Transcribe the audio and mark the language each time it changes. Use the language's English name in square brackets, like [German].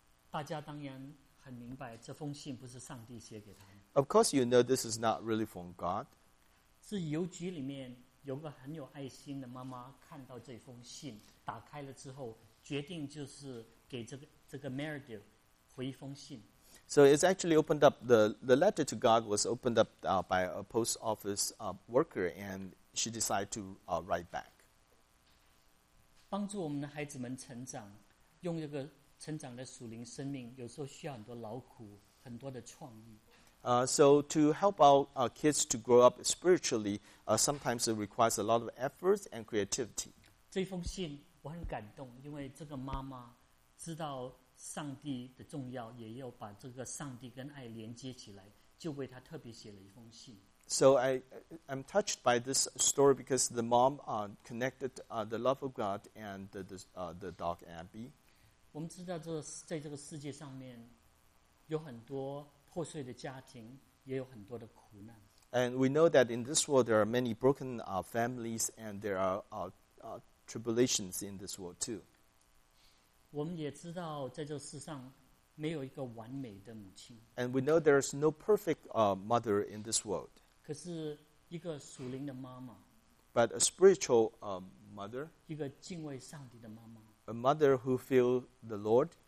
[Chinese] 大家当然很明白，这封信不是上帝写给他们。 [English] Of course, you know this is not really from God. [Chinese] 是邮局里面有个很有爱心的妈妈看到这封信，打开了之后，决定就是给这个 Meredith 回一封信。 [English] So it's actually opened up the letter to God was opened up by a post office worker, and she decided to write back. [Chinese] 帮助我们的孩子们成长，用一个成长的属灵生命，有时候需要很多劳苦，很多的创意。 [English] So to help our kids to grow up spiritually, sometimes it requires a lot of effort and creativity. [Chinese] 这封信我很感动，因为这个妈妈知道上帝的重要，也要把这个上帝跟爱连接起来，就为她特别写了一封信。 [English] So I'm touched by this story because the mom connected the love of God and the dog Abby. [Chinese] 我们知道在这个世界上面有很多破碎的家庭，也有很多的苦难。 [English] And we know that in this world there are many broken families and there are tribulations in this world too. [Chinese] 我们也知道在这个世上没有一个完美的母亲。 [English] And we know there is no perfect mother in this world. [Chinese] 可是一个属灵的妈妈, [English] but a spiritual mother, [Chinese] 一个敬畏上帝的妈妈, [English] a mother who feels the Lord,